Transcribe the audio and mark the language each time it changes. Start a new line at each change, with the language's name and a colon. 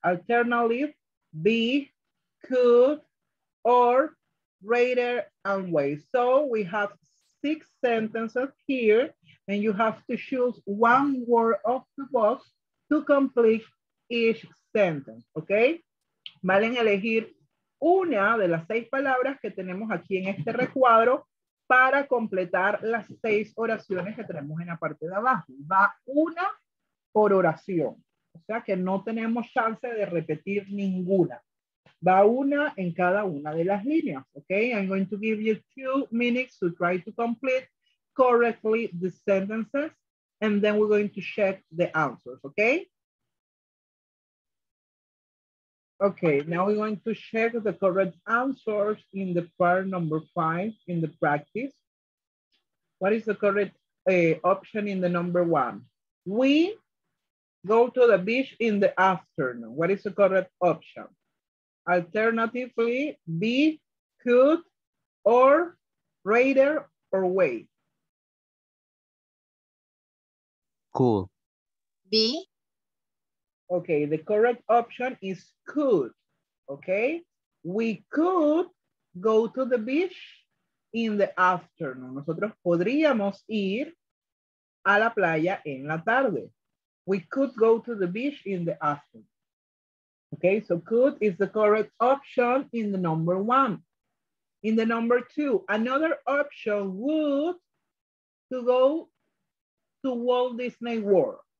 English: Alternative, be, could, or, greater, and way. So we have six sentences here, and you have to choose one word of the box to complete each sentence, okay?
Spanish: Valen elegir una de las seis palabras que tenemos aquí en este recuadro para completar las seis oraciones que tenemos en la parte de abajo. Va una por oración. O sea que no tenemos chance de repetir ninguna. Va una en cada una de las líneas.
English: Okay, I'm going to give you 2 minutes to try to complete correctly the sentences, and then we're going to check the answers, okay? Okay, now we're going to check the correct answers in the part number 5 in the practice. What is the correct option in the number 1? We go to the beach in the afternoon. What is the correct option? Alternatively, be, could, or rather, or wait. Cool. B. Okay, the correct option is could, okay? We could go to the beach in the afternoon.
Spanish: Nosotros podríamos ir a la playa en la tarde.
English: We could go to the beach in the afternoon. Okay, so could is the correct option in the number 1. In the number 2, another option would to go to Walt Disney World.